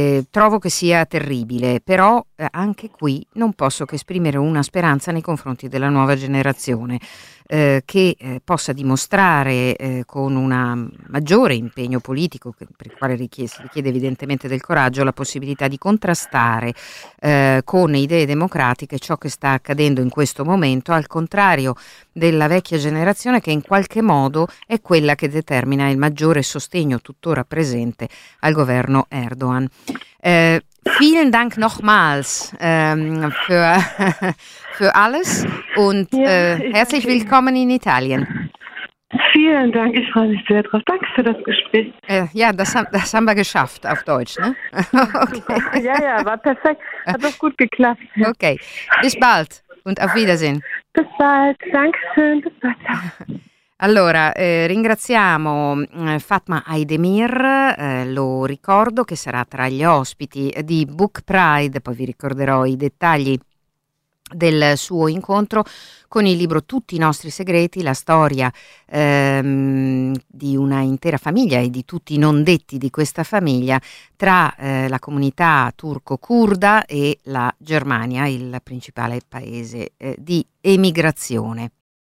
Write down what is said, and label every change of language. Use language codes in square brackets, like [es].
[it] Trovo che sia terribile, però anche qui non posso che esprimere una speranza nei confronti della nuova generazione, che possa dimostrare con un maggiore impegno politico, per il quale richiede evidentemente del coraggio, la possibilità di contrastare con idee democratiche ciò che sta accadendo in questo momento, al contrario della vecchia generazione, che in qualche modo è quella che determina il maggiore sostegno tuttora presente al governo Erdogan. [de] Vielen Dank nochmals für alles und herzlich willkommen in Italien. Vielen Dank, ich freue mich sehr drauf. Danke für das Gespräch. Ja, das haben wir geschafft auf Deutsch, ne? Okay. Ja, war perfekt. Hat auch gut geklappt. Okay, bis bald und auf Wiedersehen. Bis bald, Dankeschön, bis bald. [it] Allora, ringraziamo Fatma Aydemir, lo ricordo che sarà tra gli ospiti di Book Pride, poi vi ricorderò i dettagli del suo incontro con il libro Tutti i nostri segreti, la storia di una intera famiglia e di tutti i non detti di questa famiglia tra la comunità turco-curda e la Germania, il principale paese di emigrazione.